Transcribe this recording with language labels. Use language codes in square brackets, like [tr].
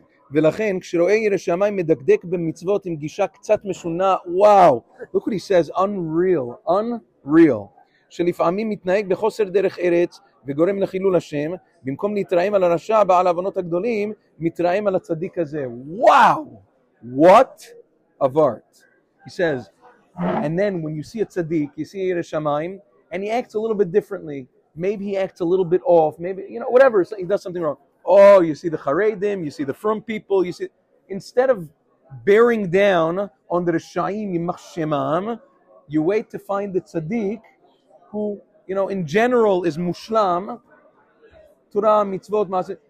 [he] ולכן, כשרואה ירא שמיים מדקדק במצוות עם גישה קצת משונה, וואו! [en] Look what he says, unreal, unreal. [he] שלפעמים מתנהג בחוסר דרך ארץ וגורם לחילול השם, במקום להתרעם על הרשע בעל הבנות הגדולים, מתרעם על הצדיק הזה. [en] וואו! What? Avart. He says, and then when you see a tzaddik, you see Yireh Shamayim, and he acts a little bit differently. Maybe he acts a little bit off. Maybe, you know, whatever. So he does something wrong. Oh, you see the Charedim, you see the frum people, you see. Instead of bearing down on the [he] Rishayim Yimach Shemam, [en] you wait to find the tzaddik, who, you know, in general is Mushlam, Torah, Mitzvot, Maaseh.